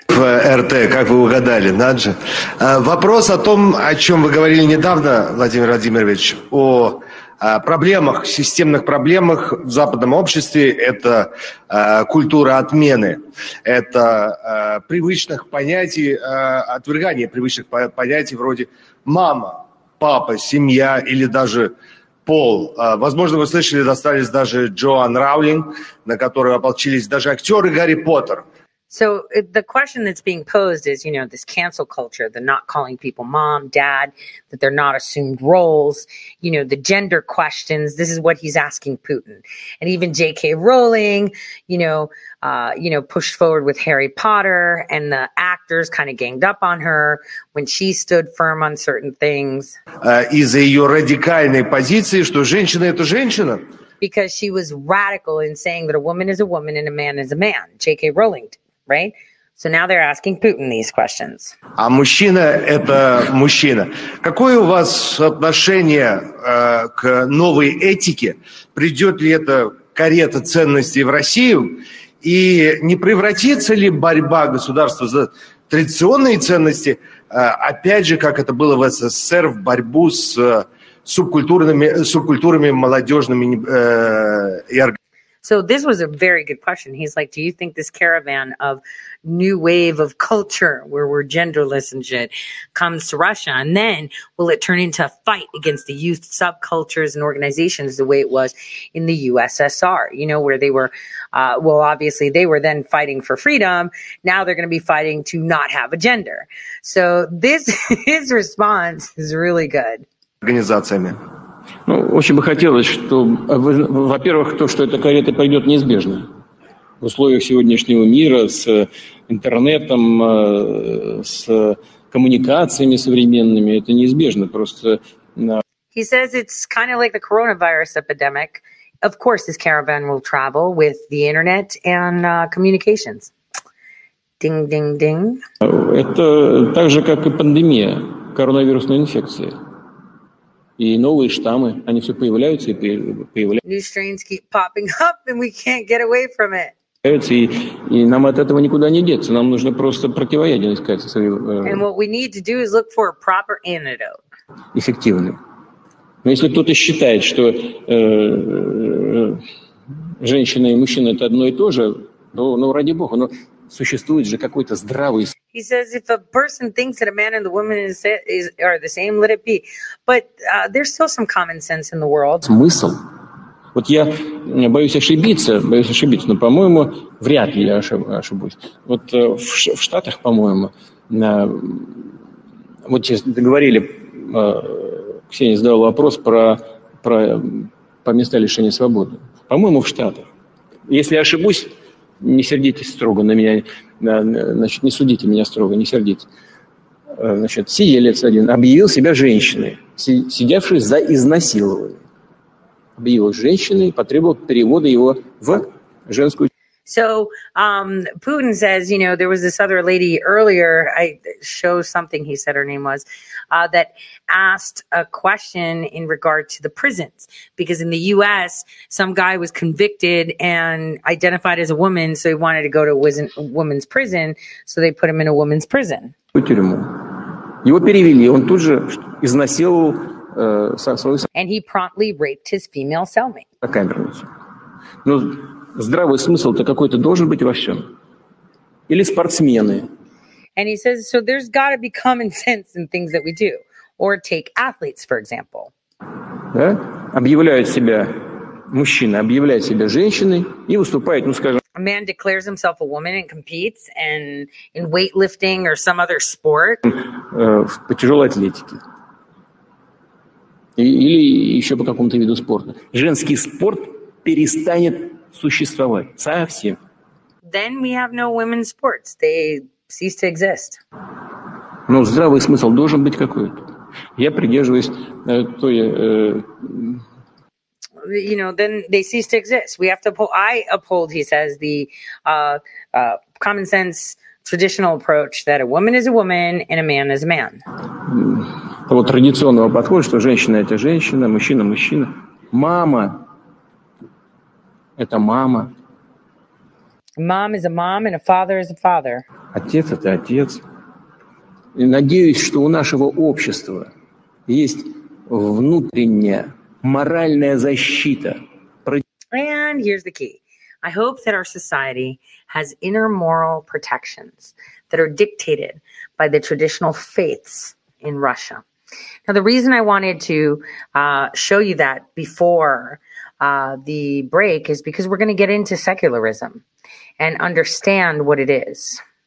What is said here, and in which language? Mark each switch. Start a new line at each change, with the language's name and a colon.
Russian: В РТ, как вы угадали, надо же. Вопрос о том, о чем вы говорили недавно, Владимир Владимирович, о проблемах, системных проблемах в западном обществе, это культура отмены, это привычных понятий, отвергание привычных понятий вроде мама, папа, семья или даже пол. Возможно, вы слышали, достались даже Джоан Роулинг, на которую ополчились даже актеры Гарри Поттер.
English: So the question that's being posed is, you know, this cancel culture, the not calling people mom, dad, that they're not assumed roles, you know, the gender questions. This is what he's asking Putin. And even J.K. Rowling, you know, pushed forward with Harry Potter, and the actors kind of ganged up on her when she stood firm on certain things.
Russian: Из-за ее радикальной позиции, что женщина – это женщина.
English: Because she was radical in saying that a woman is a woman and a man is a man, J.K. Rowling. Right? So now they're asking Putin these questions.
Russian: А мужчина – это мужчина. Какое у вас отношение к новой этике? Придет ли эта карета ценностей в Россию? И не превратится ли борьба государства за традиционные ценности, опять же, как это было в СССР, в борьбу с субкультурами молодежными и организациями?
English: So this was a very good question. He's like, do you think this caravan of new wave of culture where we're genderless and shit comes to Russia? And then will it turn into a fight against the youth subcultures and organizations the way it was in the USSR, you know, where they were, well, obviously they were then fighting for freedom. Now they're going to be fighting to not have a gender. So this, his response is really good.
Russian: Организациями. Ну, очень бы хотелось, чтобы, во-первых, то, что эта карета пойдет неизбежно. В условиях сегодняшнего мира с интернетом, с коммуникациями современными, это неизбежно. Просто...
English: He says it's kind of like the coronavirus epidemic. Of course, this caravan will travel with the internet and communications. Ding, ding, ding.
Russian: Это так же, как и пандемия коронавирусной инфекции. И новые штаммы, они все появляются и появляются.
English: New strains keep popping up, and we can't get away from it.
Russian: И нам от этого никуда не деться. Нам нужно просто противоядие искать.
English: And what we need to do is look for a proper antidote.
Russian: Эффективный. Но если кто-то считает, что женщина и мужчина – это одно и то же, ну, ради бога, но существует же какой-то здравый...
English: He says, if a person thinks that a man and the woman are the same, let it be. But there's still some common sense in the world.
Russian: Смысл. Вот я боюсь ошибиться, но, по-моему, вряд ли я ошибусь. Вот в Штатах, по-моему, вот честно говорили, Ксения задала вопрос про места лишения свободы. По-моему, в Штатах. Если я ошибусь... Не сердитесь строго на меня, значит, не судите меня строго, не сердитесь. Значит, сиелец один объявил себя женщиной, сидевшей за изнасилование. Объявил женщиной, потребовал перевода его в женскую.
English: So, Putin says, you know, there was this other lady earlier, I show something he said her name was, that asked a question in regard to the prisons. Because in the U.S., some guy was convicted and identified as a woman, so he wanted to go to a woman's prison, so they put him in a woman's prison.
Russian: Его перевели, он тут же изнасиловал свою...
English: And he promptly raped his female cellmate.
Russian: Какая информация? Ну... Здравый смысл-то какой-то должен быть во всем. Или спортсмены.
English: And he says, so there's got to be common sense in things that we do. Or take athletes, for example.
Russian: Да? Объявляют себя мужчины, объявляют себя женщины и выступают, ну скажем...
English: A man declares himself a woman and competes and in weightlifting or some other sport.
Russian: По тяжелой атлетике. Или еще по какому-то виду спорта. Женский спорт перестанет... существовать совсем.
English: Then we have no women's sports. They cease to exist.
Russian: Но здравый смысл должен быть какой-то. Я придерживаюсь той...
English: You know, then they cease to exist. We have to uphold, I uphold, he says, the common sense traditional approach that a woman is a woman and a man is a man.
Russian: Того традиционного подхода, что женщина – это женщина, мужчина – мужчина. Мама – это мама.
English: Mom is a mom and a father is a father.
Russian: Отец это отец. И надеюсь, что у нашего общества есть внутренняя моральная защита.
English: And here's the key. I hope that our society has inner moral protections that are dictated by the traditional faiths in Russia. Now, the reason I wanted to show you that before the break is because we're going to get into secularism and understand what it is.